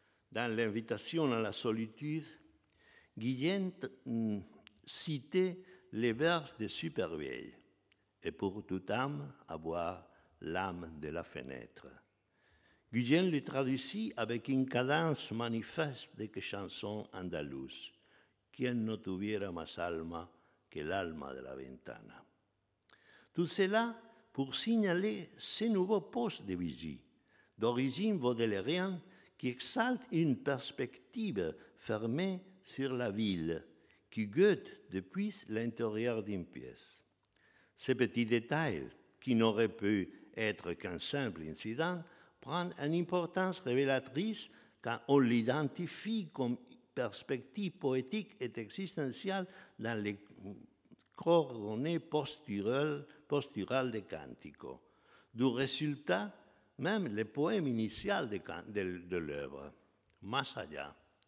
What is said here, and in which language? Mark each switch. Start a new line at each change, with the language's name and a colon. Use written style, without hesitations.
French: Dans l'invitation à la solitude, Guillén citait les vers de Supervielle et pour toute âme avoir l'âme de la fenêtre. Guillén le traduisit avec une cadence manifeste de chansons andalouses.
Spanish: Quien no tuviera más alma que l'alma de la ventana.
French: Tout cela pour signaler ce nouveau poste de vigie, d'origine vaudelairienne, qui exalte une perspective fermée sur la ville, qui guette depuis l'intérieur d'une pièce. Ce petit détail, qui n'aurait pu être qu'un simple incident, prend une importance révélatrice quand on l'identifie comme perspective poétique et existentielle dans les coordonnées posturales de Cantico, d'où résulta même le poème initial de l'œuvre, Más allá.